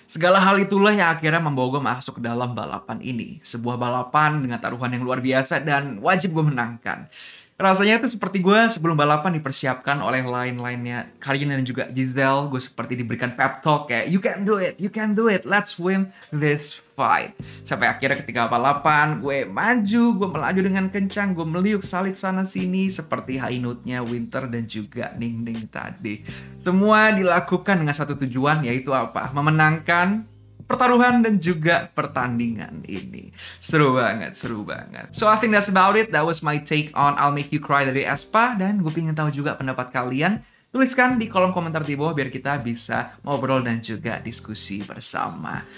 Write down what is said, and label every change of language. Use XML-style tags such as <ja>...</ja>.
<id>Segala hal itulah yang akhirnya membawa gue masuk ke dalam balapan ini. Sebuah balapan dengan taruhan yang luar biasa dan wajib gue menangkan. Rasanya itu seperti gue sebelum balapan dipersiapkan oleh lain-lainnya Karin dan juga Giselle. Gue seperti diberikan pep talk kayak,</id> <en>you can do it, you can do it, let's win this fight.</en> <id>Sampai akhirnya ketika balapan, gue maju, gue melaju dengan kencang, gue meliuk salib sana-sini seperti high note-nya Winter dan juga Ningning tadi. Semua dilakukan dengan satu tujuan, yaitu apa? Memenangkan pertaruhan dan juga pertandingan ini. Seru banget, seru banget.</id> <en>So I think that's about it. That was my take on I'll Make You Cry dari Aespa.</en> <id>Dan gue pengen tahu juga pendapat kalian. Tuliskan di kolom komentar di bawah biar kita bisa ngobrol dan juga diskusi bersama.</id>